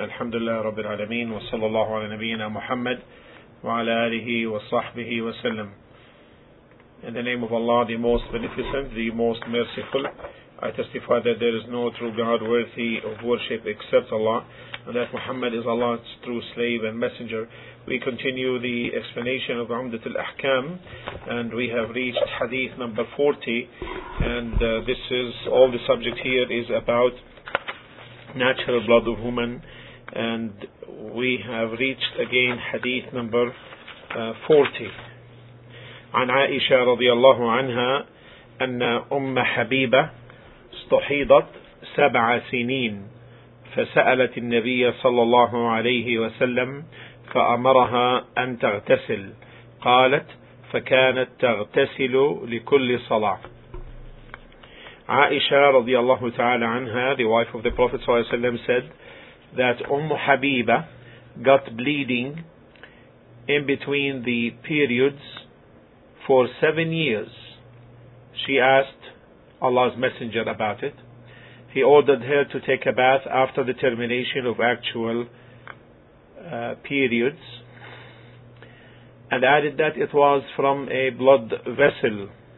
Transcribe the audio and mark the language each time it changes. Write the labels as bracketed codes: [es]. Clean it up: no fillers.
[ar] الحمد لله رب العالمين، وصلى الله على نبينا محمد وعلى آله وصحبه وسلم. [en] In the name of Allah, the most beneficent, the most merciful, I testify that there is no true God worthy of worship except Allah, and that Muhammad is Allah's true slave and messenger. We continue the explanation of Umdat al-Ahkam, and we have reached hadith number 40, and this is all the subject here is about natural blood of women, and we have reached again hadith number 40. [ar] عن عائشة رضي الله عنها أن أم حبيبة استحيضت سبع سنين فسألت النبي صلى الله عليه وسلم فأمرها أن تغتسل، قالت فكانت تغتسل لكل صلاة. [en] Aisha radiallahu ta'ala anha, the wife of the Prophet ﷺ, said that Umm Habiba got bleeding in between the periods for 7 years. She asked Allah's Messenger about it. He ordered her to take a bath after the termination of actual periods, and added that it was from a blood vessel.